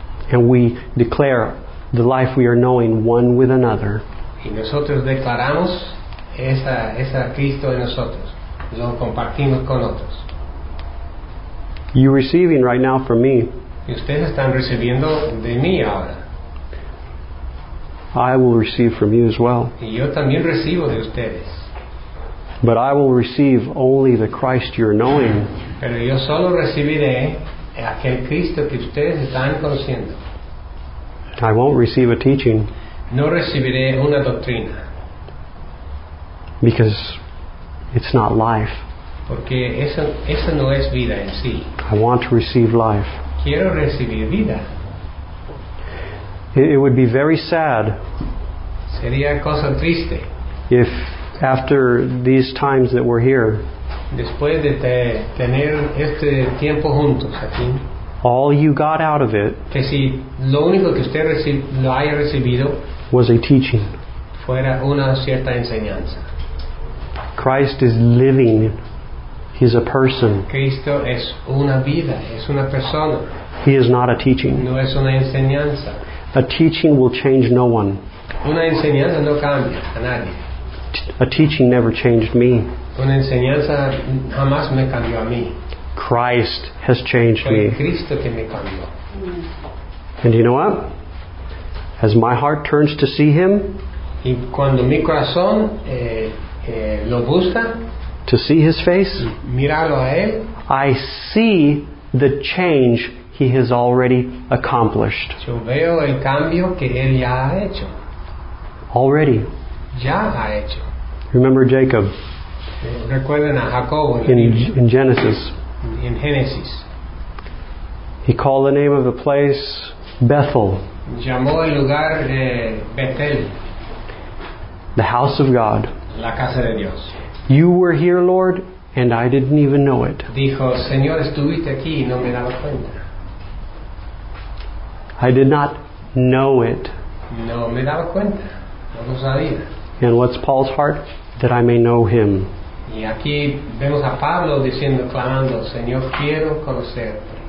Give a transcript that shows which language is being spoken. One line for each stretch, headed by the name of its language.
English: And we declare the life we are knowing one with another.
Spanish: Y nosotros declaramos esa Cristo en nosotros. Lo compartimos con otros.
English: You're receiving right now from me.
Spanish: Y ustedes están recibiendo de mí ahora.
English: I will receive from you as well.
Spanish: Y yo también recibo de ustedes.
English: But I will receive only the Christ you're knowing.
Spanish: Pero yo solo recibiré aquel Cristo que ustedes están conociendo.
English: I won't receive a teaching.
Spanish: No recibiré una doctrina.
English: Because it's not life.
Spanish: Porque eso no es vida en sí.
English: I want to receive life.
Spanish: Quiero recibir vida.
English: It would be very sad.
Spanish: Sería cosa triste.
English: If after these times that we're here,
Spanish: después de tener este tiempo juntos aquí,
English: all you got out of it,
Spanish: que si lo único que usted lo haya recibido,
English: was a teaching,
Spanish: fuera una cierta enseñanza.
English: Christ is living. He's a person.
Spanish: Cristo es una vida, es una persona.
English: He is not a teaching.
Spanish: No es una enseñanza.
English: A teaching will change no one.
Spanish: Una enseñanza no cambia a nadie.
English: A teaching never changed me.
Spanish: Una enseñanza jamás me cambió a mí.
English: Christ has changed me.
Spanish: Cristo que me cambió.
English: And you know what? As my heart turns to see Him,
Spanish: y cuando mi corazón lo busca,
English: to see His face,
Spanish: mirarlo a él,
English: I see the change He has already accomplished.
Spanish: Yo veo el cambio que él ya ha hecho.
English: Already.
Spanish: Ya ha hecho.
English: Remember Jacob.
Spanish: Recuerden a Jacob
English: in Genesis. In Genesis. He called the name of the place Bethel.
Spanish: Llamó el lugar de Bethel.
English: The house of God.
Spanish: La casa de Dios.
English: You were here, Lord, and I didn't even know it.
Spanish: Dijo, Señor, estuviste aquí y no me daba cuenta.
English: I did not know it.
Spanish: No me daba cuenta. No lo sabía.
English: And what's Paul's heart? That I may know Him.
Spanish: Y aquí vemos a Pablo diciendo, clamando, Señor, quiero conocerte.